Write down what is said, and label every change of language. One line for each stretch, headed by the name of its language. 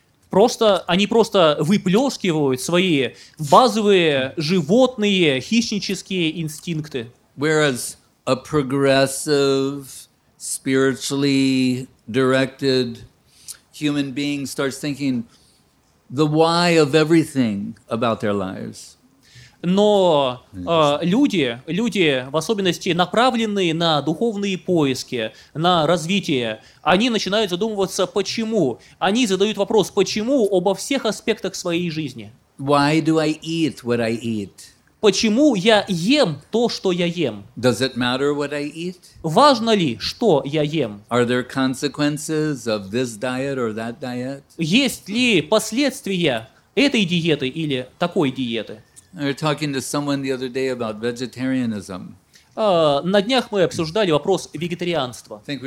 Russian: Просто они просто выплескивают свои базовые животные хищнические инстинкты.
English: Whereas a progressive, spiritually directed human being starts thinking the why of everything about their lives.
Russian: Но люди, в особенности направленные на духовные поиски, на развитие, они начинают задумываться, почему. Они задают вопрос, почему обо всех аспектах своей жизни.
English: Why do I eat what I eat?
Russian: Почему я ем то, что я ем?
English: Does it matter what I eat?
Russian: Важно ли, что я ем?
English: Are there consequences of this diet or that diet?
Russian: Есть ли последствия этой диеты или такой диеты. На днях мы обсуждали вопрос вегетарианства.